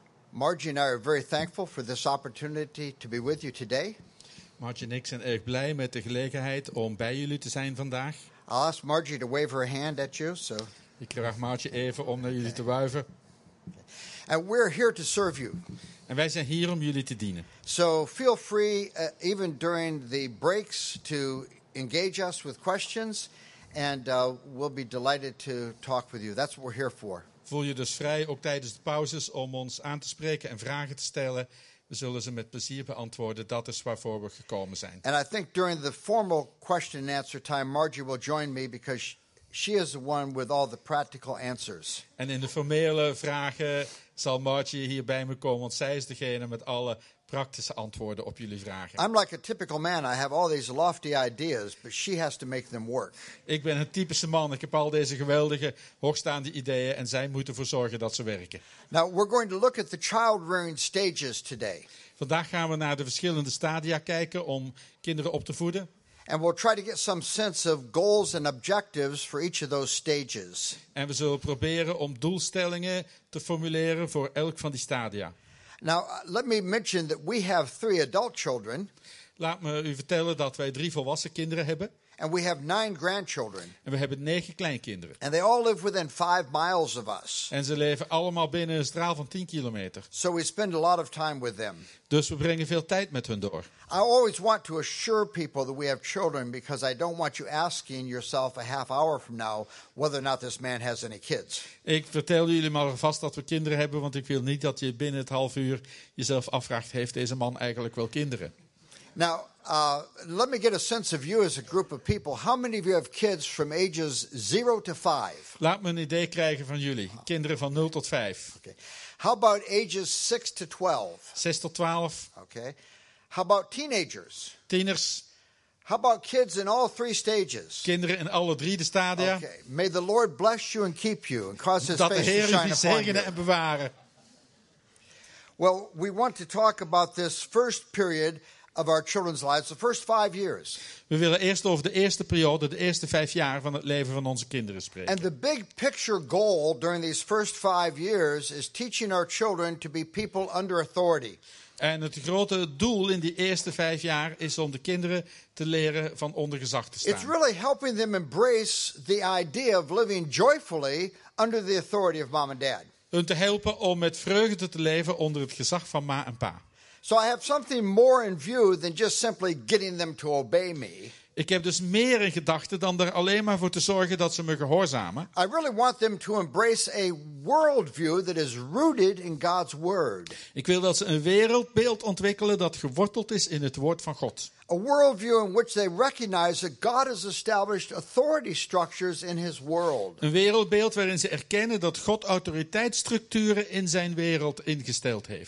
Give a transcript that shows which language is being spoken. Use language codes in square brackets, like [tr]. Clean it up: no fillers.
[en] Margie and I are very thankful for this opportunity to be with you today. [nl] Margie en ik zijn erg blij met de gelegenheid om bij jullie te zijn vandaag. [en] I'll ask Margie to wave her hand at you, so. [nl] Ik vraag Margie even om naar jullie te wuiven. [en] And we're here to serve you. [nl] En wij zijn hier om jullie te dienen. [en] So feel free, even during the breaks, to engage us with questions, and we'll be delighted to talk with you. That's what we're here for. [nl] Voel je dus vrij, ook tijdens de pauzes, om ons aan te spreken en vragen te stellen. We zullen ze met plezier beantwoorden. Dat is waarvoor we gekomen zijn. [en] And I think during the formal question and answer time, Margie will join me because she is the one with all the practical answers. [nl] En in de formele vragen zal Margie hier bij me komen, want zij is degene met alle praktische antwoorden op jullie vragen. [en] I'm like a typical man. I have all these lofty ideas, but she has to make them work. [nl] Ik ben een typische man. Ik heb al deze geweldige, hoogstaande ideeën en zij moeten ervoor zorgen dat ze werken. [en] Now we're going to look at the child-rearing stages today. [nl] Vandaag gaan we naar de verschillende stadia kijken om kinderen op te voeden. [en] And we'll try to get some sense of goals and objectives for each of those stages. [nl] En we zullen proberen om doelstellingen te formuleren voor elk van die stadia. [en] Now, let me mention that we have 3 adult children. [nl] Laat me u vertellen dat wij 3 volwassen kinderen hebben. [en] And we have 9 grandchildren. [nl] En we hebben 9 kleinkinderen. [en] And they all live within 5 miles of us. [nl] En ze leven allemaal binnen een straal van 10 kilometer. [en] So we spend a lot of time with them. [nl] Dus we brengen veel tijd met hun door. [en] I always want to assure people that we have children because I don't want you asking yourself a half hour from now whether or not this man has any kids. [nl] Ik vertel jullie maar vast dat we kinderen hebben, want ik wil niet dat je binnen het half uur jezelf afvraagt, heeft deze man eigenlijk wel kinderen? [en] Now, let me get a sense of you as a group of people. How many of you have kids from ages 0 to 5? [nl] Laat me een idee krijgen van jullie. Kinderen van 0 tot 5. [en] Okay. How about ages 6 to 12? [nl] 6 tot 12. [en] Okay. How about teenagers? [nl] Tieners. [en] How about kids in all 3 stages? [nl] Kinderen in alle 3 de stadia. [en] Okay. May the Lord bless you and keep you and cause his [nl] dat [en] face to shine upon you. [nl] Dat de Heer jullie zegenen en bewaren. [en] Well, we want to talk about this first period of our children's lives, the first 5 years. [nl] We willen eerst over de eerste periode, de eerste 5 jaar van het leven van onze kinderen spreken. [en] And the big picture goal during these first 5 years is teaching our children to be people under authority. [nl] En het grote doel in die eerste 5 jaar is om de kinderen te leren van onder gezag te staan. [en] It's really helping them embrace the idea of living joyfully under the authority of mom and dad. [nl] Hun te helpen om met vreugde te leven onder het gezag van ma en pa. [en] So I have something more in view than just simply getting them to obey me. [nl] Ik heb dus meer in gedachten dan er alleen maar voor te zorgen dat ze me gehoorzamen. [en] I really want them to embrace a worldview that is rooted in God's word. [nl] Ik wil dat ze een wereldbeeld ontwikkelen dat geworteld is in het woord van God. [en] A worldview in which they recognize that God has established authority structures in his world. [nl] Een wereldbeeld waarin ze erkennen dat God autoriteitsstructuren in zijn wereld ingesteld heeft.